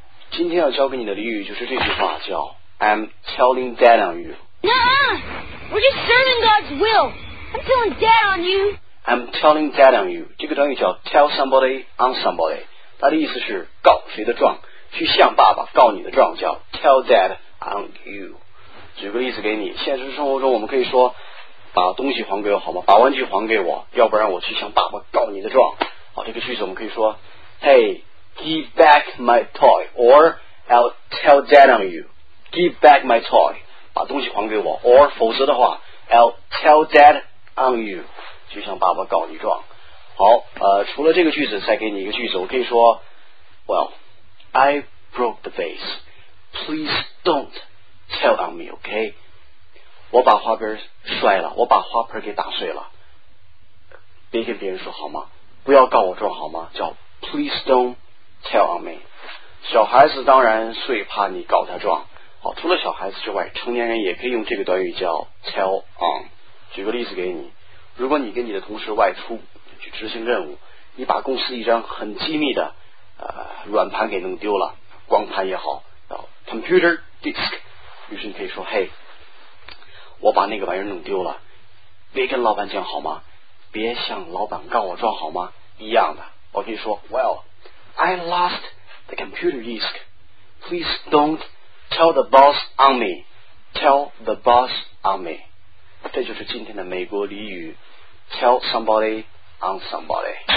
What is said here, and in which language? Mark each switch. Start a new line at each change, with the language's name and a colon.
Chinese: 今天要教给你的俚语就是这句话叫
English: I'm telling Dad on you. Nuh-uh. We're just serving God's will. I'm telling Dad on you. I'm telling Dad on you.
Chinese: 这个短语叫 tell somebody on somebody. 他的意思是告谁的状，去向爸爸告你的状，叫
English: tell dad on you。
Chinese: 举个例子给你，现实生活中我们可以说把东西还给我好吗，把玩具还给我，要不然我去向爸爸告你的状。好，这个句子我们可以说
English: Hey, give back my toy or I'll tell dad on you. Give back my toy,
Chinese: 把东西还给我，
English: or
Chinese: 否则的话
English: I'll tell dad on you,
Chinese: 去向爸爸告你状。好，除了这个句子，再给你一个句子，我可以说 ，
English: Well, I broke the vase. Please don't tell on me, okay?
Chinese: 我把花盆摔了，我把花盆给打碎了。别跟别人说好吗？不要告我状好吗？叫
English: Please don't tell on me.
Chinese: 小孩子当然最怕你告他状。好，除了小孩子之外，成年人也可以用这个短语叫 tell on。举个例子给你，如果你跟你的同事外出。去执行任务，你把公司一张很机密的软盘给弄丢了，光盘也好，叫 computer disk。于是你可以说 Hey, 我把那个玩意儿弄丢了，别跟老板讲好吗，别向老板告我状好吗，一样的。我可以说
English: Well, I lost the computer disk. Please don't tell the boss on me. Tell the boss on me.
Chinese: 这就是今天的美国俚语 Tell somebodyOn somebody.